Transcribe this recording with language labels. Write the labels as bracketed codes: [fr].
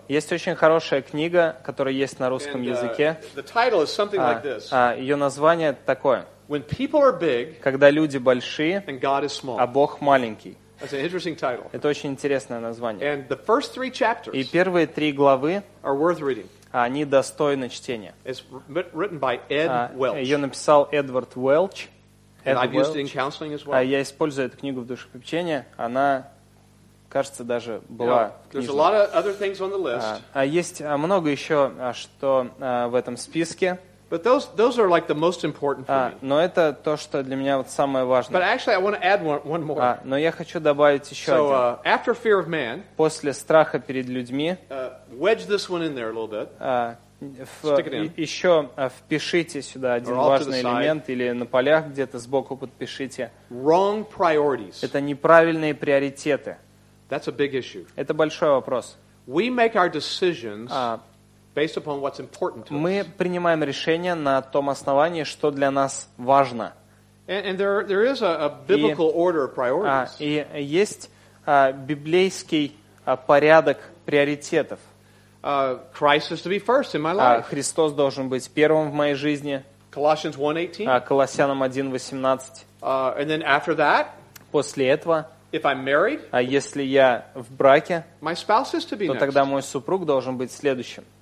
[ru] Есть очень хорошая книга, которая есть на русском языке. [en] The title is something like this. [ru] Ее название такое. [en] When people are big, [ru] когда люди большие, [en] and God is small. [ru] А Бог маленький. [en] That's an interesting title. [ru] Это очень интересное название. [en] And the first three chapters. [ru] И первые три главы. [en] Are worth reading. [ru] Они достойны чтения. [en] It's written by Ed Welch. [ru] Ее написал Эдвард Уэлч. [en] And I've used it in counseling as well. [ru] Я использую эту книгу в душепопечении. Она, кажется, даже была. [en] There's a lot of other things on the list. [ru] Есть много еще что в этом списке. [en] But those are like the most important for me. [ru] Но это то, что для меня вот самое важное. [en] But actually, I want to add one more. [ru] Но я хочу добавить еще [en] so, [ru] один. [en] So after fear of man. [ru] После страха перед людьми. [en] Wedge this one in there a little bit. Stick it in. [ru] Еще впишите сюда один важный элемент или на полях где-то сбоку подпишите. [en] Wrong priorities. [ru] Это неправильные приоритеты. [en] That's a big issue. [ru] Это большой вопрос. [en] We make our decisions. Based upon what's important to us. [ru] Мы принимаем решение на том основании, что для нас важно. [en] And there is a biblical order of priorities. [ru] И есть библейский порядок приоритетов. [en] Christ is to be first in my life. [ru] Христос должен быть первым в моей жизни. [en] Colossians 1:18. [ru] Колоссянам 1:18. [en] And then after that. [ru] После этого. [en] If I'm married. [ru] А если я в браке. [en] My spouse is to be next. [ru] То тогда мой супруг должен быть следующим.